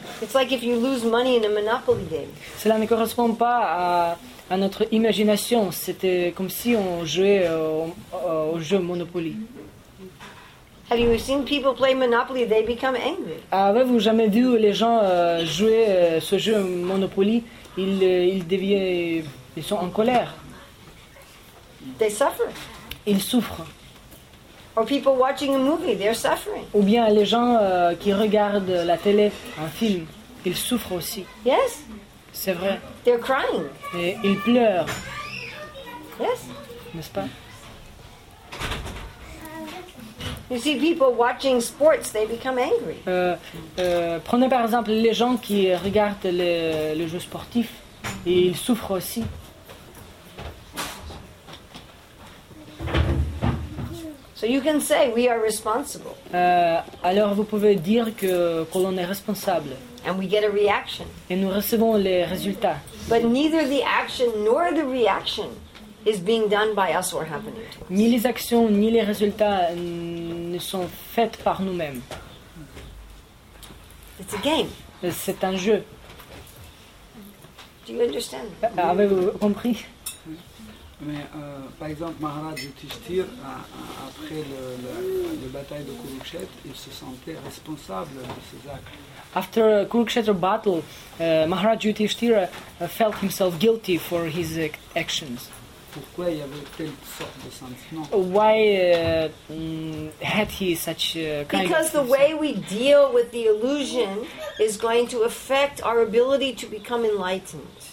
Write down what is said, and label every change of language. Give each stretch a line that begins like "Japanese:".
English: It's like if you lose money in a Monopoly game.
French: Cela ne correspond pas à notre imagination. C'était comme si on jouait au jeu Monopoly.
English: Have you seen people play Monopoly? They become angry.
French: Avez-vous jamais vu les gens jouer ce jeu Monopoly? Ils sont en colère.
English: They suffer.
French: Ils souffrent.
English: Or people watching a movie, they're suffering.
French: Ou bien les gens qui regardent la télé, un film, ils souffrent aussi.
English: Yes.
French: C'est vrai.
English: They're crying.
French: Et ils pleurent.
English: Yes.
French: N'est-ce pas?
English: You see people watching sports, they become angry.
French: Prenez par exemple les gens qui regardent les jeux sportifs, et ils souffrent aussi.
English: So you can say we are responsible.
French: Alors vous pouvez dire que l'on est responsable.
English: And we get a reaction.
French: Et nous recevons les résultats.
English: But neither the action nor the reaction is being done by us or happening to us.
French: Ni les actions ni les résultats ne sont faites par nous-mêmes.
English: It's a game.
French: C'est un jeu.
English: Do you understand?
French: Avez-vous compris? Mais par exemple, Maharaj Yudhishthir, après la bataille de Kurukshetra, il se sentait responsable de ses actes.
English: After Kurukshetra battle, Maharaj Yudhishthira felt himself guilty for his actions.
French: Pourquoi il y avait telle sorte de sentiment?
English: Why had he such kind? Because the way we deal with the illusion is going to affect our ability to become enlightened.